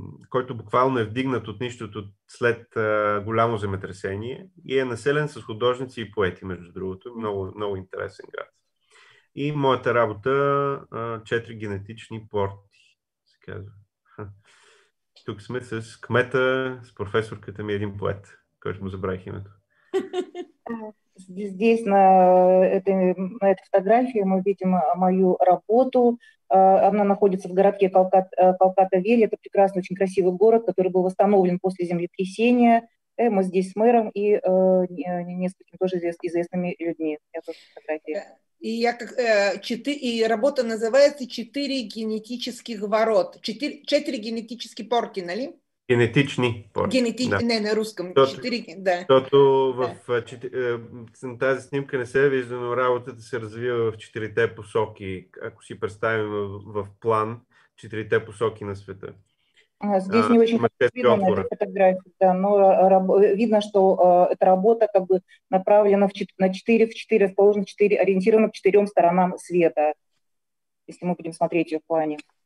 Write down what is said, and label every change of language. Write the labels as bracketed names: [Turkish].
[Bulgarian] Който буквално е вдигнат от нищото след голямо земетресение и е населен с художници и поети, между другото. Много, много интересен град. И моята работа, четири генетични порти, се казва. Тук сме с кмета, с професорката ми, един поет, който му забравих името. [Russian] Здесь на этой фотографии мы видим мою работу. Она находится в городке Калката-Вели. Это прекрасный, очень красивый город, который был восстановлен после землетрясения. Мы здесь с мэром и несколькими тоже известными людьми. И работа называется «Четыре генетических ворот». Четыре генетические порки, [Bulgarian] нали? Генетични порти. На руском. Защото на тази снимка не се вижда, но работата се развива в четирите посоки. Ако си представим в план, четирите посоки на света. [Russian] Здесь не очень видно на этой фотографии, да, но видно, что эта работа как бы направлена ориентирована к четырем сторонам света, если мы будем смотреть ее в плане.